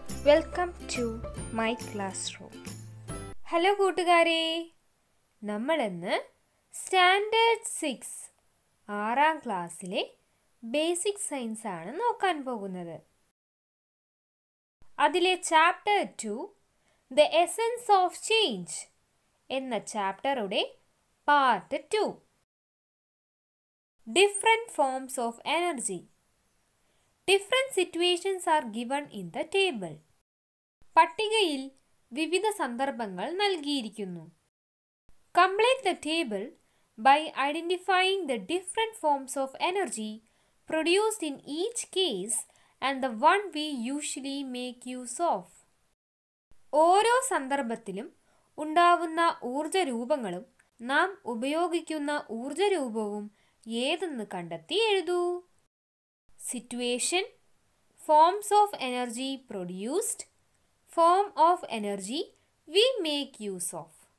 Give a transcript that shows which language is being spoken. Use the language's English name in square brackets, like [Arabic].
[English] Welcome to my classroom. [Malayalam] Hello, കൂട്ടുകാരെ. നമ്മൾ ഇന്ന് സ്റ്റാൻഡേർഡ് 6 ആറാം ക്ലാസ്സിലെ ബേസിക് സയൻസ് ആണ് നോക്കാൻ പോകുന്നത്. അതിലെ chapter 2 the essence of change എന്ന ചാപ്റ്ററുടെ part 2. [English] Different forms of energy. Different situations are given in the table. [Malayalam] പട്ടികയിൽ വിവിധ സന്ദർഭങ്ങൾ നൽകിയിരിക്കുന്നു. [English] Complete the table by identifying the different forms of energy produced in each case and the one we usually make use of. [Malayalam] ഓരോ സന്ദർഭത്തിലും ഉണ്ടാവുന്ന ഊർജ രൂപങ്ങളും നാം ഉപയോഗിക്കുന്ന ഊർജ രൂപവും ഏതെന്ന് കണ്ടെത്തി എഴുതൂ. [English] Situation, forms of energy produced, form of energy we make use of.